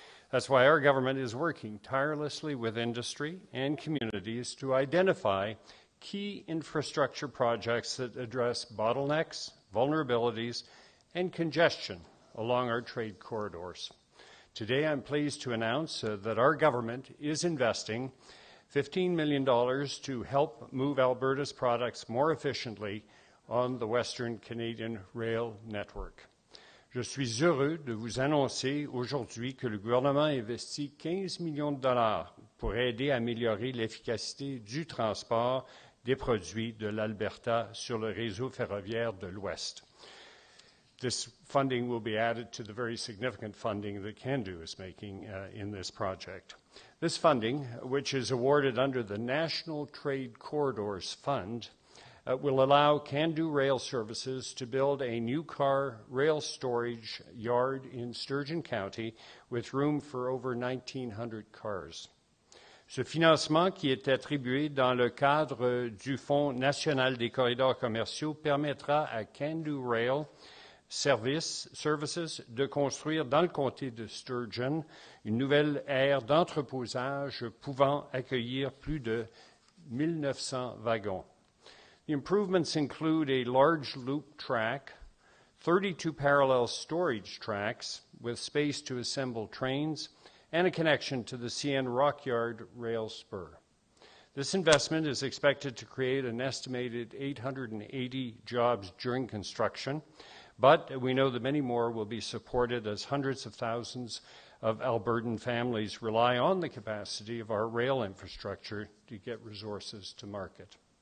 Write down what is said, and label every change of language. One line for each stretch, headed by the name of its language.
English: That's why our government is working tirelessly with industry and communities to identify key infrastructure projects that address bottlenecks, vulnerabilities, and congestion along our trade corridors. Today, I'm pleased to announce that our government is investing $15 million to help move Alberta's products more efficiently on the Western Canadian Rail Network.
French: Je suis heureux de vous annoncer aujourd'hui que le gouvernement investit $15 million pour aider à améliorer l'efficacité du transport des produits de l'Alberta sur le réseau ferroviaire de l'Ouest.
English: This funding will be added to the very significant funding that Cando is making in this project. This funding, which is awarded under the National Trade Corridors Fund, will allow Cando Rail Services to build a new car rail storage yard in Sturgeon County with room for over 1,900 cars.
French: Ce financement, qui est attribué dans le cadre du Fonds national des corridors commerciaux, permettra à Cando Rail Services de construire dans le comté de Sturgeon une nouvelle aire d'entreposage pouvant accueillir plus de 1,900 wagons.
English: The improvements include a large loop track, 32 parallel storage tracks with space to assemble trains, and a connection to the CN Rockyard rail spur. This investment is expected to create an estimated 880 jobs during construction, but we know that many more will be supported as hundreds of thousands of Albertan families rely on the capacity of our rail infrastructure to get resources to market.